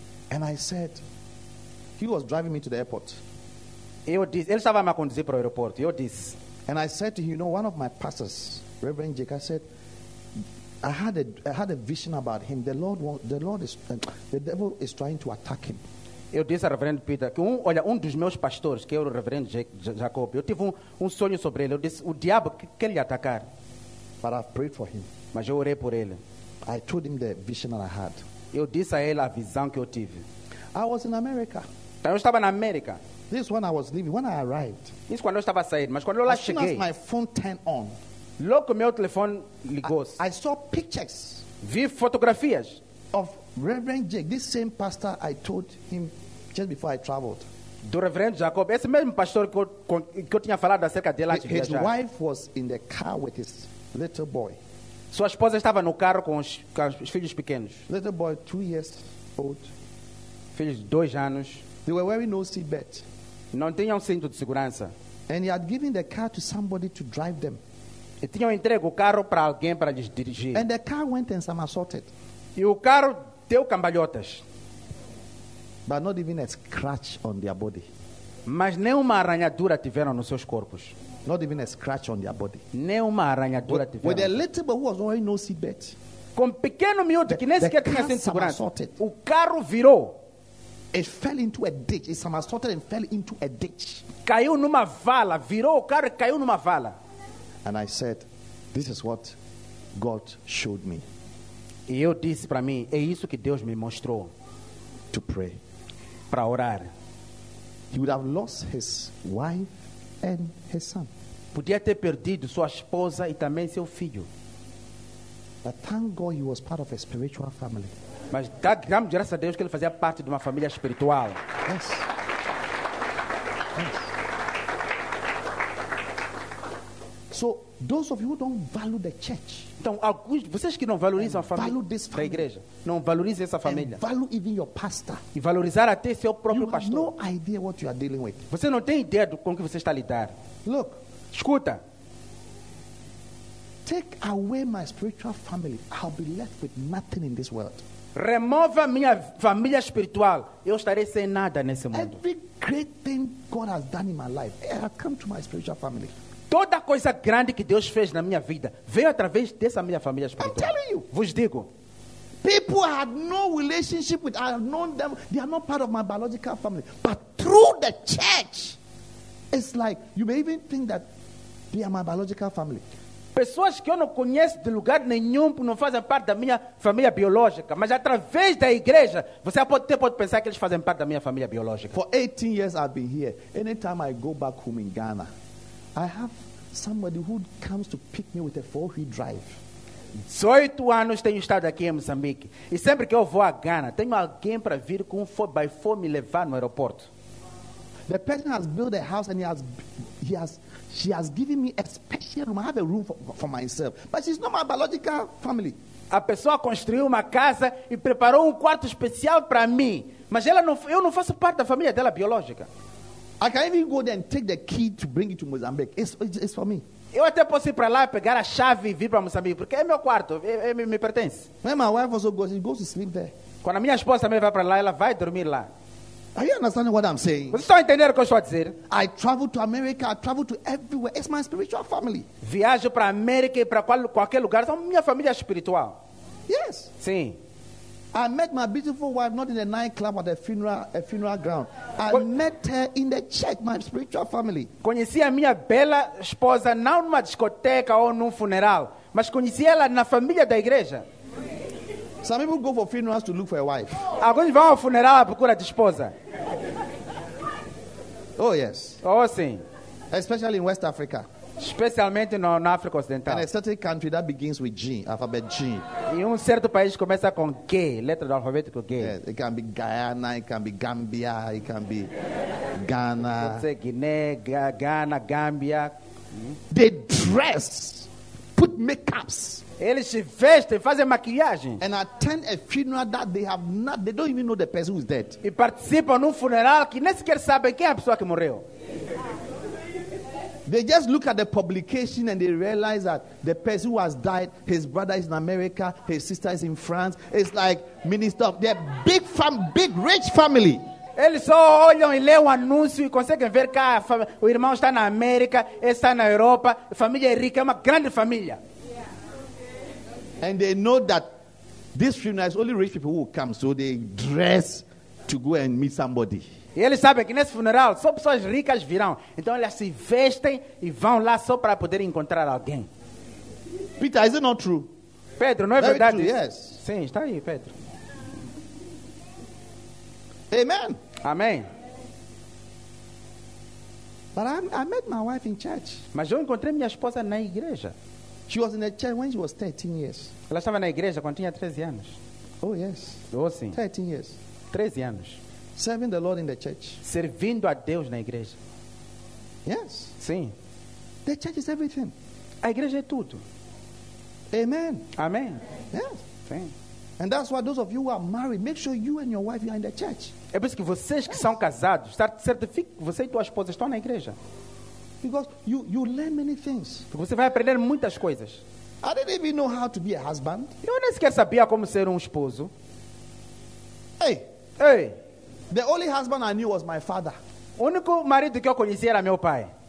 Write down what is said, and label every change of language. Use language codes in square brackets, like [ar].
[en] And I said, he was driving me to the airport. [pt] Ele estava me conduzindo para o aeroporto. Eu disse, [en] and I said to him, you know, one of my pastors, Reverend Jake, I said, I had a vision about him. The devil is trying to attack him. [pt] Eu disse ao Reverendo Peter que um dos meus pastores, que era o Reverendo Jacob, eu tive um sonho sobre ele. Eu disse, o diabo quer lhe atacar. [en] But I prayed for him. [pt] Mas eu orei por ele. [en] I told him the vision that I had. [pt] Eu disse a ele a visão que eu tive. [en] I was in America. [pt] Então, eu estava na América. [en] This one I was leaving when I arrived. [pt] Isso quando eu estava saindo, mas quando eu lá cheguei. [en] As soon as my phone turned on. [pt] Logo meu telefone ligou-se. [en] I saw pictures. [pt] Vi fotografias [en] of Reverend Jake, this same pastor I told him just before I traveled. [pt] Do Reverendo Jacob, esse mesmo pastor que eu tinha falado acerca dele antes de viajar. [en] His wife was in the car with his little boy. [pt] Sua esposa estava no carro com os filhos pequenos. [en] Little boy, 2 years old. [pt] Filhos de 2 anos. [en] They were wearing no seatbelt. [pt] Não tinham cinto de segurança. [en] And he had given the car to somebody to drive them. [pt] E tinham entregue o carro para alguém para lhes dirigir. [en] And the car went and somersaulted. [pt] E o carro deu cambalhotas. [en] But not even a scratch on their body. [pt] Mas nenhuma arranhadura tiveram nos seus corpos. [en] Not even a scratch on their body. [pt] Nenhuma arranhadura [en] with, [pt] tiveram. [en] With a little boy who was wearing no seat belt. [pt] Com pequeno miúdo que nem sequer tinha cinto de segurança. O carro virou. [en] It fell into a ditch. It somersaulted and fell into a ditch. [pt] Caiu numa vala. Virou o carro e caiu numa vala. [en] And I said, this is what God showed me. [pt] E eu disse para mim, é isso que Deus me mostrou. [en] To pray. [pt] Para orar. [en] He would have lost his wife and his son. [pt] Podia ter perdido sua esposa e também seu filho. [en] But thank God he was part of a spiritual family. [pt] Mas graças a Deus que ele fazia parte de uma família espiritual. [en] Yes. So those of you who don't value the church. [pt] Então, alguns vocês que não valorizam a família da igreja, não valorizem essa família. [en] And value even your pastor. [pt] E valorizar até seu próprio [en] you [pt] pastor. [en] Have no idea what you are dealing with. [pt] Você não tem ideia do com que você está a lidar. [en] Look. [pt] Escuta. [en] Take away my spiritual family, I'll be left with nothing in this world. [pt] Remova minha família espiritual, eu estarei sem nada nesse mundo. [en] Every great thing God has done in my life, it has come to my spiritual family. [pt] Toda coisa grande que Deus fez na minha vida veio através dessa minha família espiritual. [en] I'm telling you. [pt] Vos digo. [en] People I had no relationship with, I have known them, they are not part of my biological family. But through the church, it's like, you may even think that they are my biological family. [pt] Pessoas que eu não conheço de lugar nenhum, não fazem parte da minha família biológica. Mas através da igreja, você pode pensar que eles fazem parte da minha família biológica. [en] For 18 years I've been here. Anytime I go back home in Ghana, I have somebody who comes to pick me with a 4-wheel drive. [pt] 18 anos tenho estado aqui em Moçambique. E sempre que eu vou a Ghana, tenho alguém para vir com um 4x4 me levar no aeroporto. [en] The person has built a house and he has she has given me a special room. I have a room for myself. But she's not my biological family. [pt] A pessoa construiu uma casa e preparou quarto especial para mim. Mas ela não, eu não faço parte da família dela biológica. [en] I can even go there and take the key to bring it to Mozambique. It's for me. [pt] Eu até posso ir para lá pegar a chave e vir para Moçambique, porque é meu quarto, me pertence. [en] When my wife also goes, she goes to sleep there. [pt] Quando a minha esposa também vai para lá, ela vai dormir lá. [en] Are you understanding what I'm saying? [pt] Vocês estão entendendo o que eu estou a dizer? [en] I travel to America, I travel to everywhere. It's my spiritual family. [pt] Viajo para a América e para qualquer lugar, são minha família espiritual. [en] Yes. [pt] Sim. [en] I met my beautiful wife not in a nightclub at a funeral ground. Met her in the church, my spiritual family. [pt] Conheci a minha bela esposa não numa discoteca ou num funeral, mas conheci ela na família da igreja. [en] Some people go for funerals to look for a wife. [pt] Alguns vão ao funeral à procura de esposa. [en] Oh yes. [pt] Oh sim. [en] Especially in West Africa. [pt] Especialmente na África Ocidental. [en] And a certain country that begins with G, alphabet G. [pt] E certo país começa com G, letra do alfabeto G. [en] Yes, it can be Guyana, it can be Gambia, it can be Ghana. It's a Guinea, Ghana, Gambia. They dress, put makeups. [pt] Eles se vestem, fazem maquiagem. [en] And attend a funeral that they don't even know the person who is dead. [pt] E participam num funeral que nem sequer sabem quem é a pessoa que morreu. [en] They just look at the publication and they realize that the person who has died, his brother is in America, his sister is in France. It's like minister of their big fam, big rich family. [pt] Eles só olham e leem o anúncio e conseguem ver que o irmão está na América, está na Europa, a família é rica, é uma grande família. [en] And they know that this funeral is only rich people who will come, so they dress to go and meet somebody. [pt] E eles sabem que nesse funeral só pessoas ricas virão. Então elas se vestem e vão lá só para poder encontrar alguém. [en] Peter, is it not true? [pt] Pedro, não é [en] very [pt] verdade? [en] True, yes. [pt] Sim, está aí, Pedro. [en] Amen. [pt] Amém. [en] But I met my wife in church. [pt] Mas eu encontrei minha esposa na igreja. [en] She was in the church when she was 13 years. [pt] Ela estava na igreja quando tinha 13 anos. [en] Oh, yes. [pt] Oh, sim. [en] 13 years. [pt] 13 anos. [en] Serving the Lord in the church. [pt] Servindo a Deus na igreja. [en] Yes. [pt] Sim. [en] The church is everything. [pt] A igreja é tudo. [en] Amen. [pt] Amém. [en] Yes. [pt] Sim. [en] And that's why those of you who are married, make sure you and your wife are in the church. [pt] É por isso que vocês [en] yes. [pt] que são casados, certifique que você e tua esposa estão na igreja. [en] Because you learn many things. [pt] Porque você vai aprender muitas coisas. [en] I didn't even know how to be a husband. [pt] Eu nem sequer sabia como ser esposo. Hey. Hey. [en] The only husband I knew was my father. [pt] O único marido que eu conheci era meu pai.